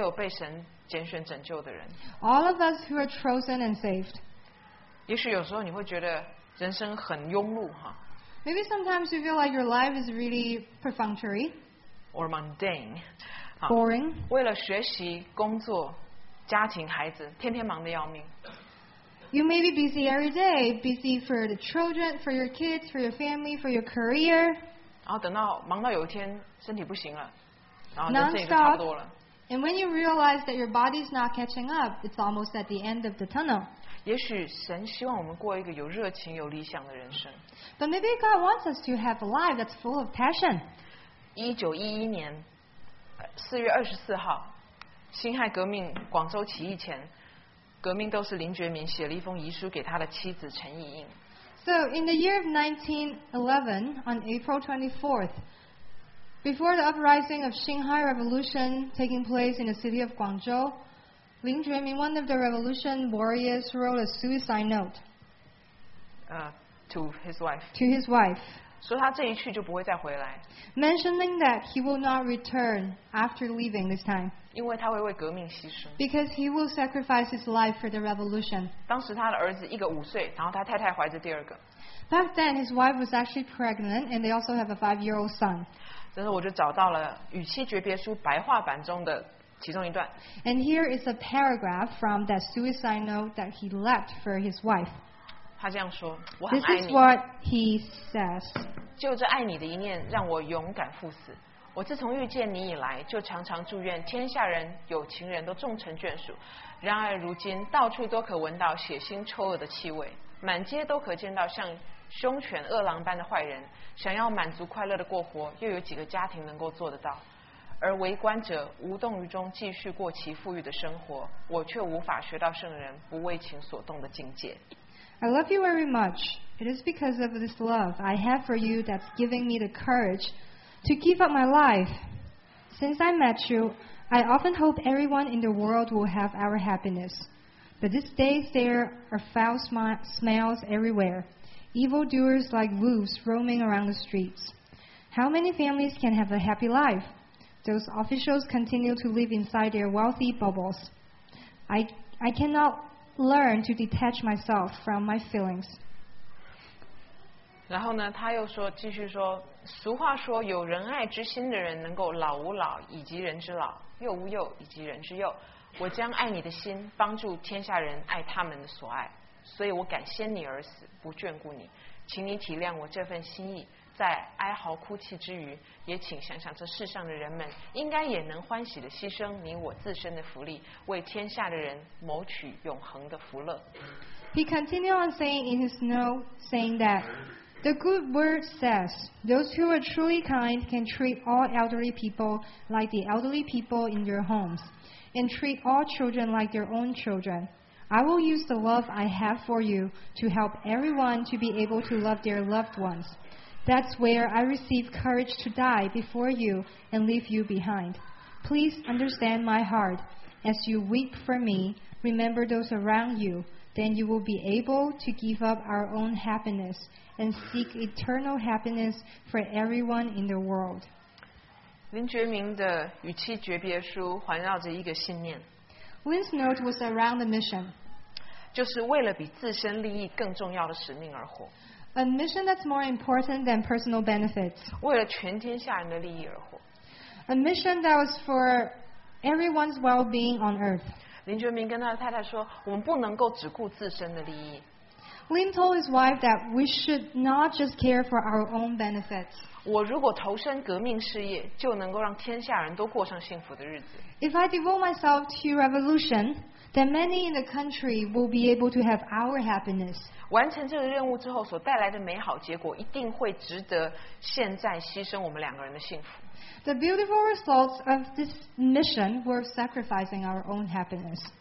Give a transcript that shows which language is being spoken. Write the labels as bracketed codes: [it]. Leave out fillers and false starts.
[zh] 所有被神拣选拯救的人。 [en] All of us who are chosen and saved. [zh] 也许有时候你会觉得人生很庸碌哈。 [en] Maybe sometimes you feel like your life is really perfunctory. Or mundane. Boring. [zh] 为了学习、工作、家庭、孩子，天天忙得要命。 [en] You may be busy every day, busy for the children, for your kids, for your family, for your career. [zh] 然后等到忙到有一天身体不行了，然后人生也就差不多了。 [en] And when you realize that your body's not catching up, it's almost at the end of the tunnel. [zh] 也许神希望我们过一个有热情、有理想的人生。 [en] But maybe God wants us to have a life that's full of passion. [zh] 1911年4月24号，辛亥革命广州起义前。革命斗士林觉民写了一封遗书给他的妻子陈怡应。 [en] So in the year of 1911, on April 24th, before the uprising of Xinhai Revolution taking place in the city of Guangzhou, 林觉民, one of the revolution warriors, wrote a suicide note. To his wife. To his wife. [zh] 说他这一去就不会再回来。 [en] Mentioning that he will not return after leaving this time. [zh] 因为他会为革命牺牲。 [en] Because he will sacrifice his life for the revolution. [zh] 当时他的儿子一个五岁，然后他太太怀着第二个。 [en] Back then his wife was actually pregnant and they also have a 5-year-old son. [zh] 但是我就找到了《与妻诀别书》白话版中的其中一段。 [en] And here is a paragraph from that suicide note that he left for his wife. [zh] 他这样说，我很爱你。 [en] This is what he says. [zh] 就这爱你的一念，让我勇敢赴死。我自从遇见你以来，就常常祝愿天下人、有情人都终成眷属。然而如今，到处都可闻到血腥臭恶的气味，满街都可见到像凶犬恶狼般的坏人。想要满足快乐的过活，又有几个家庭能够做得到？而围观者无动于衷，继续过其富裕的生活，我却无法学到圣人不为情所动的境界。 [en] I love you very much. It is because of this love I have for you that's giving me the courage to give up my life. Since I met you, I often hope everyone in the world will have our happiness. But these days there are foul smells everywhere, evildoers like wolves roaming around the streets. How many families can have a happy life? Those officials continue to live inside their wealthy bubbles. I cannot... learn to detach myself from my feelings. [zh] 然后呢，他又说，继续说，俗话说，有仁爱之心的人能够老无老，以及人之老；幼无幼，以及人之幼。我将爱你的心帮助天下人爱他们的所爱，所以我敢先你而死，不眷顾你。请你体谅我这份心意，在哀嚎哭泣之余，也请想想这世上的人们应该也能欢喜的牺牲你我自身的福利，为天下的人谋取永恒的福乐。 [en] He continued on saying in his note, saying that The good word says, those who are truly kind can treat all elderly people like the elderly people in your homes, and treat all children like their own children. I will use the love I have for you to help everyone to be able to love their loved ones. That's where I receive courage to die before you and leave you behind. Please understand my heart. As you weep for me, remember those around you. Then you will be able to give up our own happiness and seek eternal happiness for everyone in the world. [zh] 林觉民的与妻诀别书环绕着一个信念。 [en] Lin's note was around the mission. [zh] 就是为了比自身利益更重要的使命而活。 [en] A mission that's more important than personal benefits. [zh] 为了全天下人的利益而活。 [en] A mission that was for everyone's well-being on earth. [zh] 林觉民跟他的太太说，我们不能够只顾自身的利益。 [en] Lin told his wife that we should not just care for our own benefits. [zh] 我如果投身革命事业，就能够让天下人都过上幸福的日子。 [en] If I devote myself to revolution, then many in the country will be able to have our happiness. [zh] 完成这个任务之后所带来的美好结果，一定会值得现在牺牲我们两个人的幸福。 [en] The beautiful results of this mission were sacrificing our own happiness.